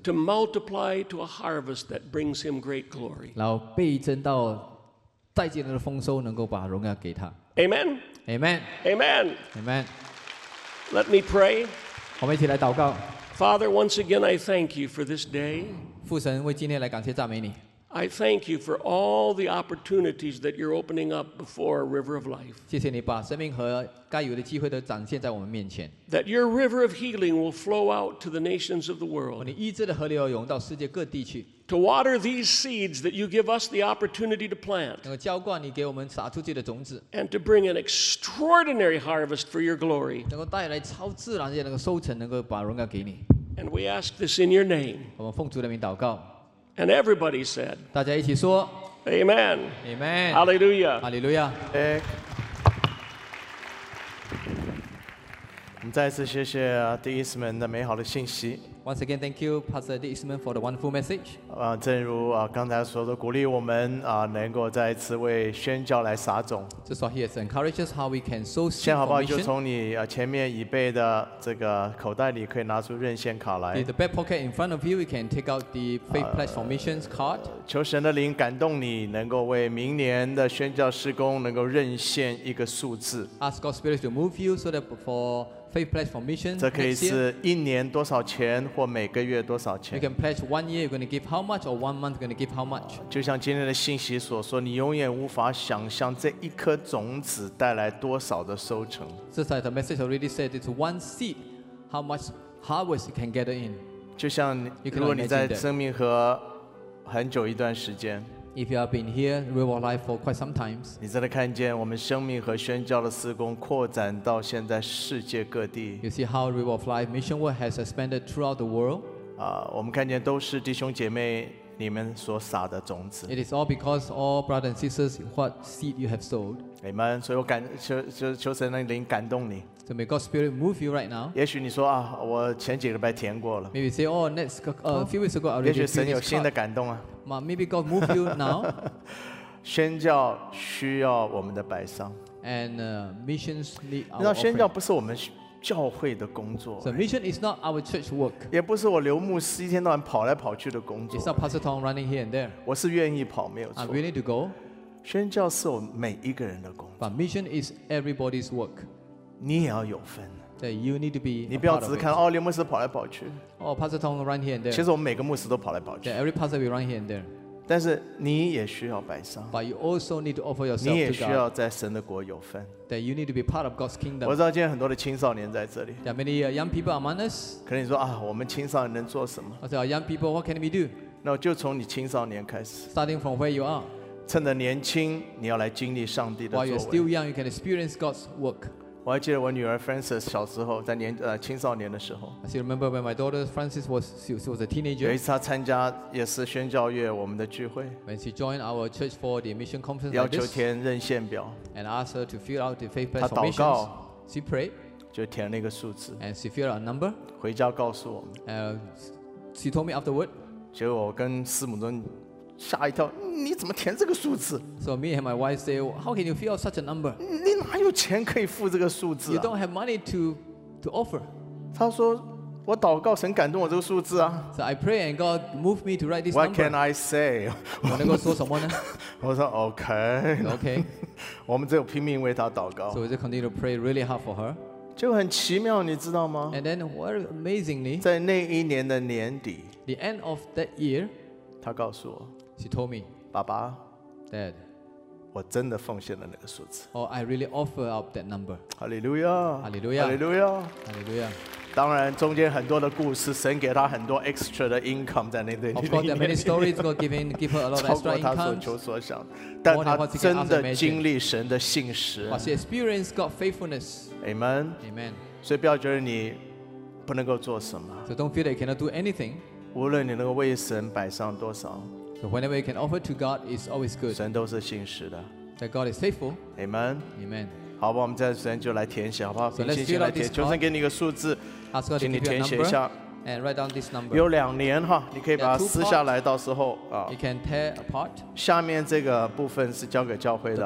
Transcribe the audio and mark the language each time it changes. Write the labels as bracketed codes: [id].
[en] To multiply to a harvest that brings him great glory. [zh] 然后倍增到带进来的丰收能够把荣耀给他。 [en] Amen. Amen. Amen. Amen. Let me pray. [zh] 我们一起来祷告。 [en] Father, once again, I thank you for this day. [zh] 父神为今天来感谢赞美你。 [en] I thank you for all the opportunities that you're opening up before a river of life. [zh] 谢谢你把生命河该有的机会都展现在我们面前。 [en] That your river of healing will flow out to the nations of the world. [zh] 你医治的河流涌到世界各地去。 [en] To water these seeds that you give us the opportunity to plant. [zh] 能够浇灌你给我们撒出去的种子。 [en] And to bring an extraordinary harvest for your glory. [zh] 能够带来超自然的那个收成，能够把荣耀给你。 [en] And we ask this in your name. [zh] 我们奉主的名祷告。 [en] And everybody said, [zh] 大家一起说 [en] Amen. Amen. Hallelujah. Hallelujah. [zh] 我们再次谢谢 The Eastman 的美好的信息。 [en] Once again, thank you, Pastor The Eastman, for the wonderful message. [zh] 正如刚才说的，鼓励我们能够再次为宣教来撒种。 [en] Just what he has encouraged us how we can sow seed. [zh] 先好不好？就从你前面已备的这个口袋里可以拿出任线卡来。 [en] The back pocket in front of you, you can take out the Faith Pledge for Missions card. [zh] 求神的灵感动你，能够为明年的宣教事工能够任线一个数字。 [en] Ask God's Spirit to move you so that for Faith Pledge for Mission. [zh] 这可以是一年多少钱，或每个月多少钱。 [en] You can pledge 1 year, you're going to give how much, or 1 month, you're going to give how much. [zh] 就像今天的信息所说，你永远无法想象这一颗种子带来多少的收成。 [en] Just like the message already said, it's one seed, how much harvest you can gather in. [zh] 就像如果你在生命河很久一段时间。 [en] If you have been here, we were alive for quite some times. [zh] 你真的看见我们生命和宣教的事工扩展到现在世界各地。 [en] You see how River of Life mission work has expanded throughout the world. [zh] 我们看见都是弟兄姐妹你们所撒的种子。 [en] It is all because all brothers and sisters what seed you have sowed. Amen. [zh] 所以我求神的灵感动你。 [en] So may God's Spirit move you right now. [zh] 也许你说我前几个礼拜填过了。 [en] Maybe say, oh, next few weeks ago, I already. [zh] 也许神有新的感动啊。 [en] Maybe God move you now. [zh] 宣教需要我们的摆上。 [en] And missions need our. [zh] 你知道宣教不是我们教会的工作。 [en] So mission is not our church work. [zh] 也不是我刘牧师一天到晚跑来跑去的工作。 [en] It's not Pastor Tom running here and there. [zh] 我是愿意跑，没有错。 [en] I'm willing to go. [zh] 宣教是我每一个人的工作。 [en] But mission is everybody's work. [zh] 你也要有份。对 [en] ，you need to be. [zh] 你不要只看哦，刘牧师跑来跑去。 [en] Oh, Pastor Tom run here and there. [zh] 其实我们每个牧师都跑来跑去。 [en] Yeah, every pastor we run here and there. [zh] 但是你也需要摆上。 [en] But you also need to offer yourself to God. [zh] 你也需要在神的国有份。 [en] That you need to be part of God's kingdom. [zh] 我知道今天很多的青少年在这里。 [en] There are many young people among us. [zh] 可能你说啊，我们青少年能做什么 [en] ？I say, young people, what can we do? [zh] 那就从你青少年开始。 [en] Starting from where you are. [zh] 趁着年轻，你要来经历上帝的作为。 [en] While you're still young, you can experience God's work. [zh] 我还记得我女儿 Frances 小时候在年青少年的时候。 [en] I still remember when my daughter Frances was a teenager. [zh] 有一次她参加也是宣教月我们的聚会。 [en] When she joined our church for the mission conference. [zh] 要求填任线表。 [en] And asked her to fill out the faith based formations. [zh] 她祷告。 [en] She prayed. [zh] 就填了一个数字。 [en] And she filled out a number. [zh] 回家告诉我们。 [en] She told me afterward. [zh] 结果我跟司母尊吓一跳，你怎么填这个数字 [en] ？So me and my wife say, how can you fill out such a number? [zh] 你哪有钱可以付这个数字、啊、 [en] ？You don't have money to offer. [zh] 他说，我祷告神感动我这个数字啊。 [en] So I pray and God move me to write this what number. What can I say? [zh] 我能够说什么呢？我说 OK。 [en] OK。 [zh] 我们只有拼命为他祷告。 [en] So we just continue to pray really hard for her. [zh] 就很奇妙，你知道吗 [en] ？And then what amazingly? [zh] 在那一年的年底 [en] ，the end of that year， [zh] 他告诉我。 [en] She told me, [zh] 爸爸 [en] Dad, [zh] 我真的奉献了那个数字。 [en] Oh, I really offer up that number. Hallelujah. Hallelujah. Hallelujah. Hallelujah. [zh] 当然，中间很多的故事，神给他很多 extra 的 income 在那对。 [en] Of course, there are many stories God give her a lot of extra income. [zh] 超过他所求所想，但他真的经历神的信实。 [en] But she experienced God's faithfulness. Amen. Amen. [zh] 所以不要觉得你不能够做什么。 [en] So don't feel that you cannot do anything. [zh] 无论你能够为神摆上多少。 [en] So whenever you can offer to God, it's always good. [zh] 神都是信实的。 [en] That God is faithful. Amen. Amen. [zh] 好吧，我们这段时间就来填写，好不好？凭信心来填。求神给你一个数字，请你填写一下。 [en] And write down this number. [zh] 有两年哈，你可以把它撕下来，到时候啊。 [en] You can tear apart. [zh] 下面这个部分是交给教会的。